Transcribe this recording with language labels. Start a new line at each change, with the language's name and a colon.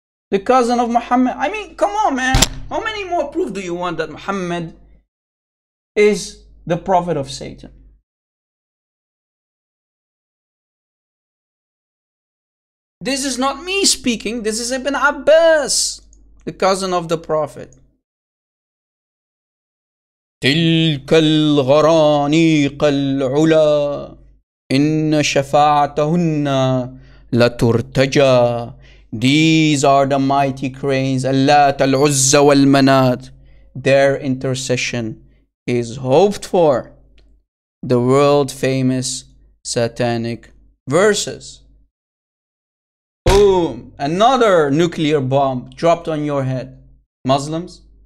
English: The cousin of Muhammad. I mean, come on, man. How many more proof do you want that Muhammad is the prophet of Satan? This is not me speaking. This is Ibn Abbas, the cousin of the prophet.
Arabic: تلك الغرانيق العلا إن شفاعتهن لترتجى.
English: These are the mighty cranes, اللات العزة والمنات. Their intercession is hoped for. The world famous satanic verses. boom, another nuclear bomb dropped on your head. Muslims?